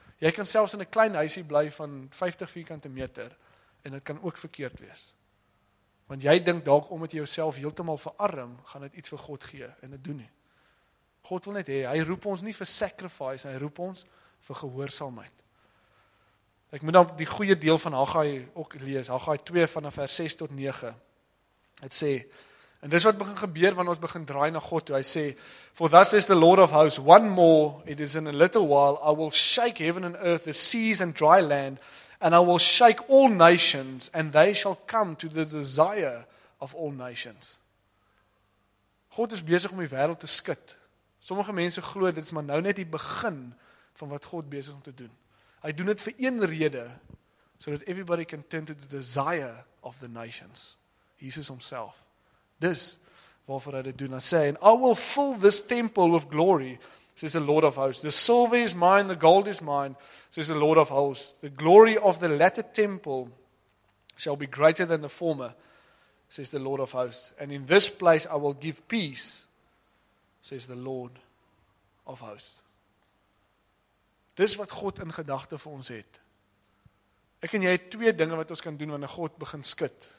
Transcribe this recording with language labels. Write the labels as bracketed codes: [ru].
[af] Jy kan selfs in 'n klein huisie bly van 50 vierkante meter en dit kan ook verkeerd wees. Want jy dink dalk omdat jy jouself heeltemal verarm, gaan dit iets vir God gee en dit doen nie. God wil net hê hy roep ons nie vir sacrifice, hy roep ons vir gehoorsaamheid. Ek moet dan die goeie deel van Haggai ook lees, Haggai 2 vanaf vers 6 tot 9. Het sê, en dis wat begin gebeur wanneer ons begin draai na God toe, hy sê, [en] For thus is the Lord of hosts, one more, it is in a little while, I will shake heaven and earth, the seas and dry land, and I will shake all nations, and they shall come to the desire of all nations. [af] God is besig om die wêreld te skud. Sommige mense glo, dit is maar nou net die begin van wat God besig om te doen. Hy doen dit vir een rede, so dat [en] everybody can turn to the desire of the nations. [af] Jesus homself. Dis waarvoor hy dit doen. Hy sê, [en] and I will fill this temple with glory, says the Lord of hosts. The silver is mine, the gold is mine, says the Lord of hosts. The glory of the latter temple shall be greater than the former, says the Lord of hosts. And in this place I will give peace, says the Lord of hosts. [af] Dis wat God in gedagte vir ons het. Ek en jy het 2 dinge wat ons kan doen wanneer God begin skud.